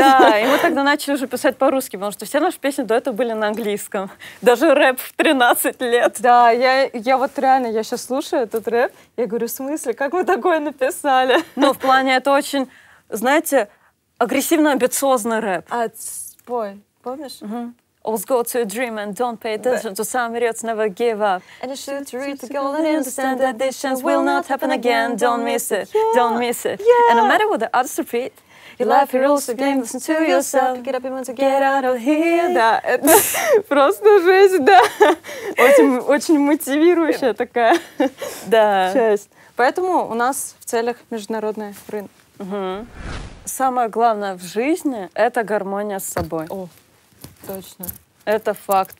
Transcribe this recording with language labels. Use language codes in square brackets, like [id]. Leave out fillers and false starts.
[ru] Да, и мы тогда начали уже писать по-русски, потому что все наши песни до этого были на английском. Даже рэп в 13 лет. Да, я вот реально, я сейчас слушаю этот рэп, я говорю, в смысле, как вы такое написали? Ну, в плане, это очень, знаете, агрессивно-амбициозный рэп. А, спой, помнишь? Угу. [en] Always go to a dream and don't pay attention to some idiots, never give up. And you should reach the goal and understand that this chance will not happen again. Don't miss it, don't miss it. And no matter what the others repeat, your life, your rules, your game, listen to yourself. Pick it up, you want to get out of here. [ru] Да, это просто жесть, да. Очень мотивирующая такая. Да. Часть. Поэтому у нас в целях международный рынок. Самое главное в жизни — это гармония с собой. Точно. Это факт.